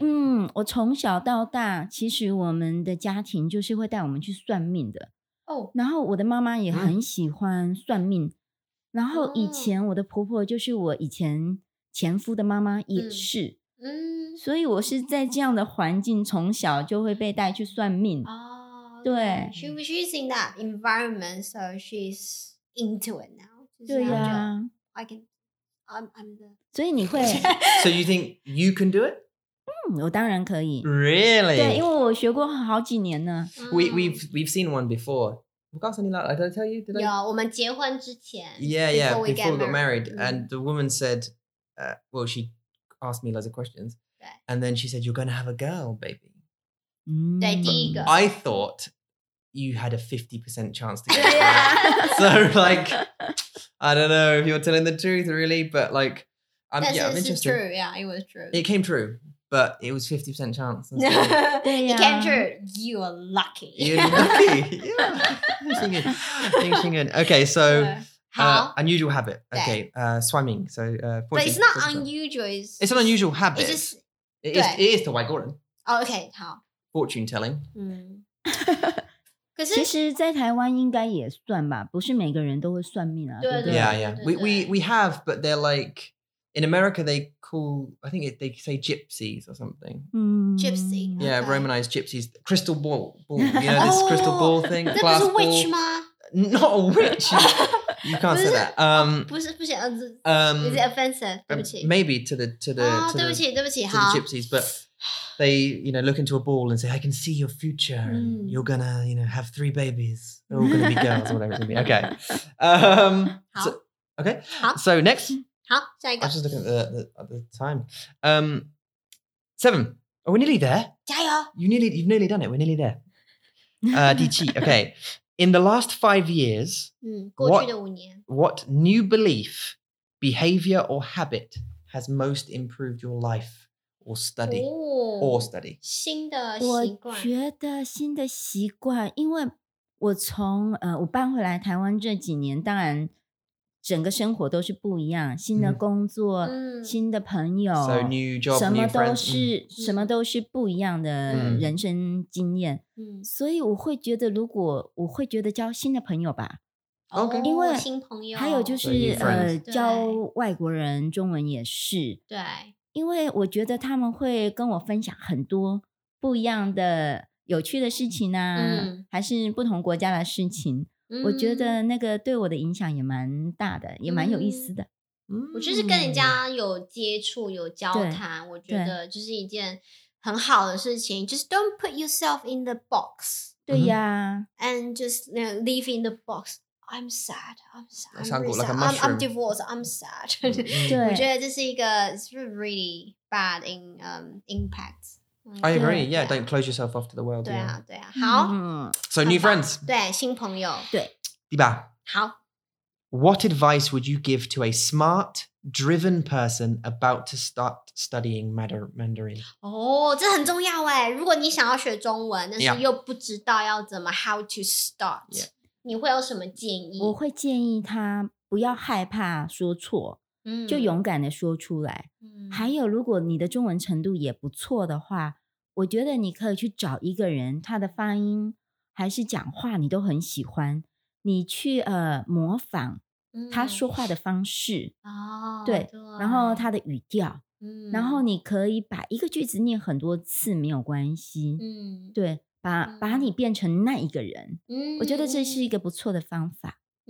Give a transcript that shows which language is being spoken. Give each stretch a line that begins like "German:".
Chinese: 嗯，我从小到大，其实我们的家庭就是会带我们去算命的。
English: Oh.
Chinese: 然后我的妈妈也很喜欢算命。 Mm. 然后以前我的婆婆就是我以前前夫的妈妈也是。嗯、mm. ，所以我是在这样的环境，从小就会被带去算命。
English: 哦、oh, okay. ，
Chinese: 对。
English: She's in that environment, so she's into it now.
Chinese: 对呀、
English: 啊。I can. I'm the...
Chinese: 所以你会
English: So you think you can do it?
Chinese: 嗯我当然可以
English: Really?
Chinese: 对因为我学过好几年呢、
English: We've seen one before
Chinese: 我告诉你了
English: Did I tell you?
Chinese: 有我们结婚之前
English: Yeah yeah before, we, before we got married、嗯、 And the woman said、Well she asked me lots of questions
Chinese: 对
English: And then she said You're gonna have a girl baby 嗯
Chinese: 对第一个
English: I thought You had a 50% chance to get married So like I don't know if you're telling the truth, really, but like, I'm, yeah, I'm interested. This is true, yeah, it was true. It came true, but it was 50% chance. yeah, yeah. It came true. You are lucky. You're lucky, yeah. Ding, ding, ding. Okay, so, unusual habit. Okay, swimming. So, 14, but it's not 14. Unusual. It's an unusual habit. It's just, it is to
Chinese: 外国人.
English: Oh, okay, 好. Fortune telling. Mm.
Chinese: 其实在台湾应该也算吧不是每个人都会算命啊对不对
English: Yeah, yeah. We have, but they're like, in America they call, I think they say gypsies or something.、嗯、 Gypsy. Yeah,、 okay. Romanized gypsies. Crystal ball. You know this crystal ball thing? That glass ball.
Chinese: 这不是 witch 吗
English: Not a witch. You can't say that.
Chinese: 不是
English: is it offensive?
Chinese: 对不起。
English: Maybe to the, to the,、
Chinese: oh, 对不起对不起
English: to the gypsies, but... They, you know, look into a ball and say, I can see your future and、 you're gonna, you know, have three babies. They're all gonna be girls or whatever it's gonna be. Okay. So, okay. So next. I'm just looking at the time. Seven. Oh, we're nearly there.
Chinese: 加油
English: You've nearly done it. We're nearly there. Dichi, okay. In the last 5 years, what new belief, behavior or habit has most improved your life? Or study.
Chinese: 新的习惯。我觉得新的习惯，因为我从我搬回来台湾这几年，当然整个生活都是不一样，新的工作，新的朋友，
English: so, new job,
Chinese: 什么都是
English: new friends,
Chinese: 什么都是不一样的人生经验。所以我会觉得，如果我会觉得交新的朋友吧。
English: Okay.
Chinese: 因为新朋友还有就是、
English: so、
Chinese: 教外国人中文也是，对，因为我觉得他们会跟我分享很多不一样的有趣的事情啊、还是不同国家的事情、我觉得那个对我的影响也蛮大的，也蛮有意思的。我就是跟人家有接触有交谈，我觉得就是一件很好的事情。
English: Just don't put yourself in the box.
Chinese: 对呀、
English: And just you know, leave in the boxI'm sad. I'm sad. Really sad. Like、 I'm divorced. I'm sad.
Chinese: 对，我觉得这是一个
English: it's really bad in impact. I agree. Yeah, yeah, don't close yourself off to the world.
Chinese: 对啊，
English: yeah.
Chinese: 对啊。好。
English: So new friends.
Chinese: 对，新朋友。对。第八。好。
English: What advice would you give to a smart, driven person about to start studying Mandarin?
Chinese: Oh, 这很重要哎。如果你想要学中文，但是、
English: yeah.
Chinese: 又不知道要怎么
English: how to start.、 Yeah.
Chinese: 你会有什么建议？我会建议他不要害怕说错，就勇敢的说出来。还有如果你的中文程度也不错的话，我觉得你可以去找一个人，他的发音还是讲话你都很喜欢，你去模仿他说话的方式、对，然后他的语调、然后你可以把一个句子念很多次没有关系、对，把你变成那一个人，我觉得这是一个不错的方法。